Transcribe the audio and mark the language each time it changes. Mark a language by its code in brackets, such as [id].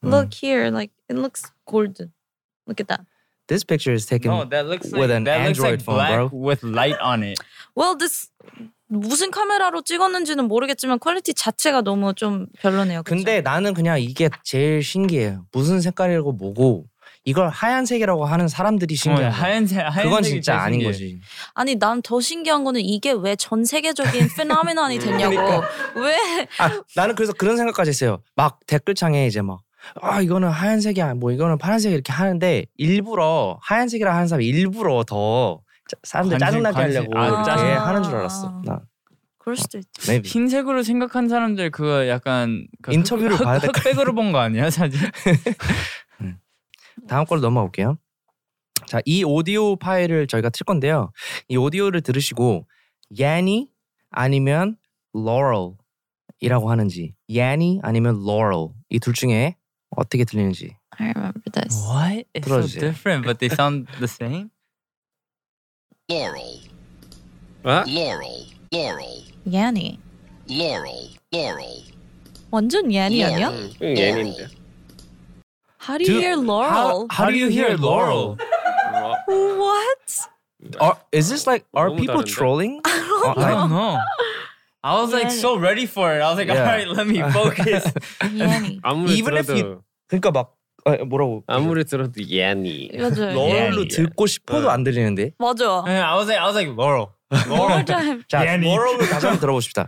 [en] Look here, like it looks golden. Look at that. This picture is taken with an Android phone, bro. That looks like black with light on it. Well, this [ko] 무슨 카메라로 찍었는지는 모르겠지만 퀄리티 자체가 너무 좀 별로네요. 근데 그쵸? 나는 그냥 이게 제일 신기해요. 무슨 색깔이라고 보고 이걸 하얀색이라고 하는 사람들이 신기해. 하얀색 그건 진짜 아닌 신기해. 거지. 아니 난 더 신기한 거는 이게 왜 전 세계적인 페노미넌이 됐냐고. 그러니까. 왜? 아, 나는 그래서 그런 생각까지 했어요. 막 댓글창에 이제 막 아 이거는 하얀색이야. 뭐 이거는 파란색 이렇게 하는데 일부러 하얀색이라 하는 사람이 일부러 더 사람들 짜증나게 하려고 이렇게 하는 줄 알았어. 나. 그럴 수도 있지. [en] Maybe. [ko] 흰색으로 생각한 사람들 그거 약간 그 인터뷰를 봐야 될 흑백으로 본 거 아니야 사진? 다음 걸로 넘어올게요. 자, 이 오디오 파일을 저희가 틀 건데요. 이 오디오를 들으시고 Yanny 아니면 Laurel 이라고 하는지 Yanny 아니면 Laurel 이 둘 중에 어떻게 들리는지 [en] I remember this. What? It's [ko] 들어주세요. [en] So different but they sound the same? Laurel Laurel. Yanny. Laurel. [ko] 완전 Yanny 아니야? 응, Yanny인데. [en] How do you hear Laurel? How do you hear Laurel? What? Is this like, are people trolling? I don't know. I was like so ready for it. I was like, all right, let me focus. Even if you, [ko] 그러니까 막 뭐라고 아무리 들어도 Yanny. 롤로 듣고 싶어도 안 들리는데. 맞아. [en] I was like Laurel. One more time. [ko] 자, Laurel 다시 한번 들어보고 싶다.